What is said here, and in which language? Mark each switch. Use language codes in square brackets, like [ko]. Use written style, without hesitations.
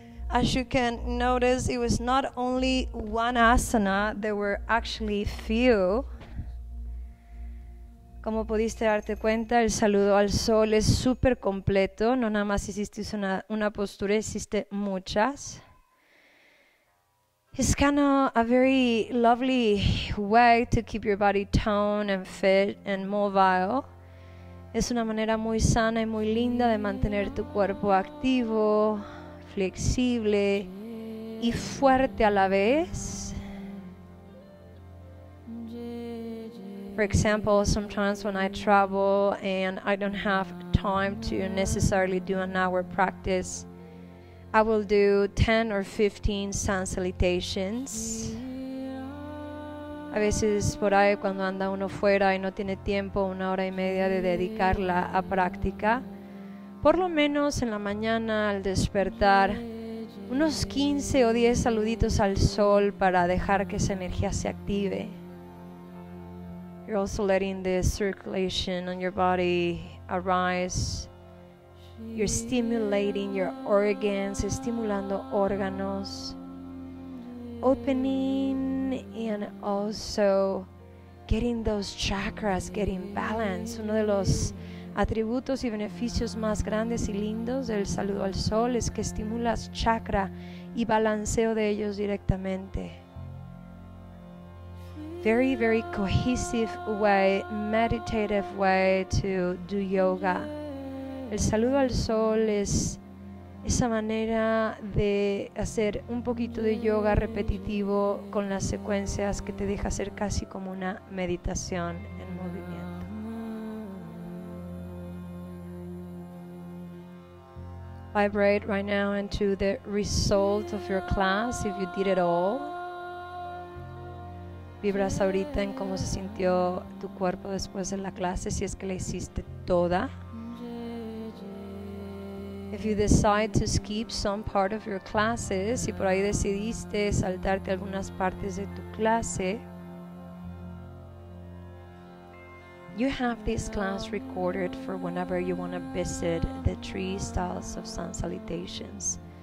[en] As you can notice, it was not only one asana, there were actually few. [es] Como pudiste darte cuenta, el saludo al sol es súper completo. No nada más hiciste una postura, hiciste muchas. [en] It's kind of a very lovely way to keep your body toned and fit and mobile. [es] Es una manera muy sana y muy linda de mantener tu cuerpo activo, flexible y fuerte a la vez. [en] For example, sometimes when I travel and I don't have time to necessarily do an hour practice, I will do 10 or 15 sun salutations. [es] A veces por ahí cuando anda uno fuera y no tiene tiempo, una hora y media de dedicarla a práctica, por lo menos en la mañana al despertar, unos 15 o 10 saluditos al sol para dejar que esa energía se active. [en] You're also letting the circulation on your body arise. You're stimulating your organs, [es] estimulando órganos. [en] Opening and also getting those chakras, getting balance. [es] Uno de los atributos y beneficios más grandes y lindos del saludo al sol es que estimulas chakra y balanceo de ellos directamente. [en] Very, very cohesive way, meditative way to do yoga. [es] El saludo al sol es esa manera de hacer un poquito de yoga repetitivo con las secuencias que te deja hacer casi como una meditación en movimiento. [en] Vibrate right now into the result of your class if you did it all. [es] Vibras ahorita en cómo se sintió tu cuerpo después de la clase, si es que la hiciste toda. [en] If you decide to skip some part of your classes, [es] si por ahí decidiste saltarte algunas partes de tu clase, [en] you have this class recorded for whenever you want to visit the three styles of sun salutations.